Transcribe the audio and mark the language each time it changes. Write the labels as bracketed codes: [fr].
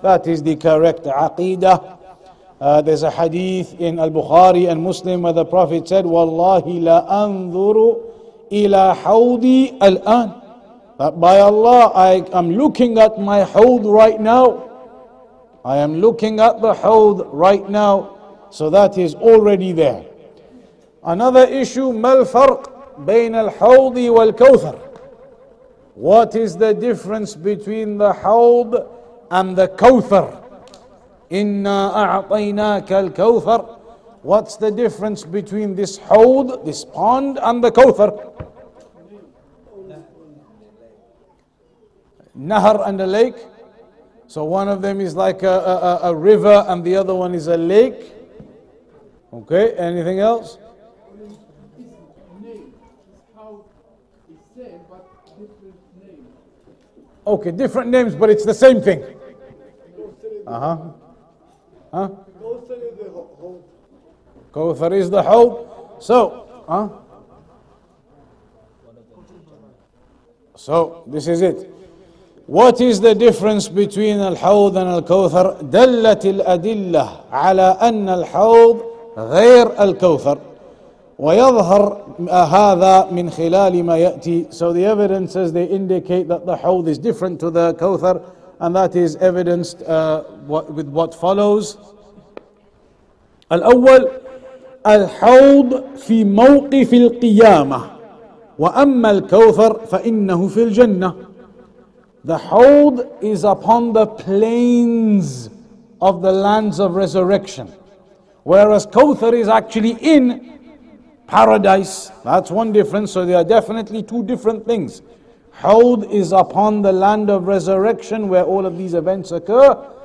[en] That is the correct aqidah. There's a hadith in al-Bukhari and Muslim where the Prophet said, [ar] وَاللَّهِ لَا أَنظُرُ إِلَى حَوْضِي الْآنِ. [en] That by Allah, I am looking at my hawd right now. I am looking at the hawd right now. So that is already there. [ar] Another issue, ما الفرق بين الحوض والكوثر? [en] What is the difference between the hawd and the kawthar? [ar] إِنَّا أَعْطَيْنَاكَ الْكَوْثَرِ. [en] What's the difference between this hawd, this pond, and the kawthar? Nahar and a lake. So one of them is like a river and the other one is a lake. Okay, anything else? Okay, different names, but it's the same thing. Kawthar is the hawd. So this is it. What is the difference between al-hawd and al-kawthar? [ar] دلت الأدلة على أن الحوض غير الكوثر ويظهر هذا من خلال ما يأتي. [en] So the evidence says, they indicate that the hawd is different to the kawthar, and that is evidenced with what follows. [ar] الأول الحوض في موقف القيامة وأما الكوثر فإنه في الجنة. [en] The hawd is upon the plains of the lands of resurrection, whereas Kawthar is actually in paradise. That's one difference. So they are definitely two different things. Hawd is upon the land of resurrection where all of these events occur.